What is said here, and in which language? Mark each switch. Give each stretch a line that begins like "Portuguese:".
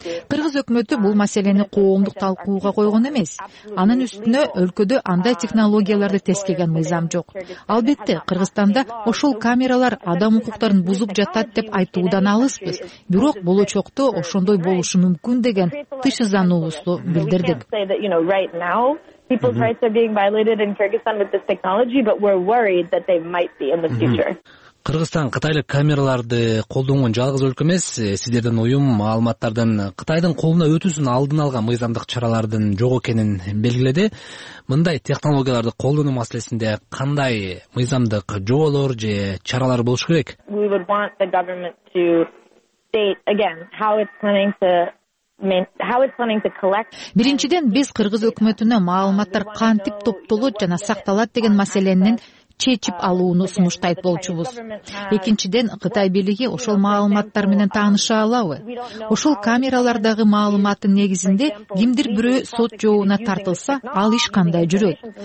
Kyrgyz: Кыргыз өкмөтү бул маселени коомдук талкууга койгон эмес. Анын үстүнө өлкөдө андай технологияларды тескеген мыйзам жок. Албетте, Кыргызстанда ошол камералар адам укуктарын бузуп жатат деп айтуудан алыспыз. Бирок болочокто ошондой болушу мүмкүн деген тынчсыздануубузду билдирдик.
English: People's rights are being violated in Kyrgyzstan with this technology, but we're worried that they might be in the future.
Kyrgyz: Кыргызстан кытайлык камераларды колдонгон жалгыз өлкө эмес. Сиздердин уюм маалыматтардын Кытайдын колуна өтүүсүн алдын алган мыйзамдык чаралардын жок экенин белгиледи. Мындай технологияларды колдонуу маселесинде кандай мыйзамдык жоолор же чаралар болуш керек?
English: We would want the government to state again how it's planning to
Kyrgyz: Биринчиден, биз кыргыз өкмөтүнө маалыматтар кантип топтолот жана сакталат деген маселенин чечип алууну сунуштайт болчубуз. Экинчиден, Кытай бийлиги ошол маалыматтар менен тааныша алабы? Ошол камералардагы маалыматтын негизинде кимдир бирөө сот жообуна тартылса, ал иш кандай жүрөт?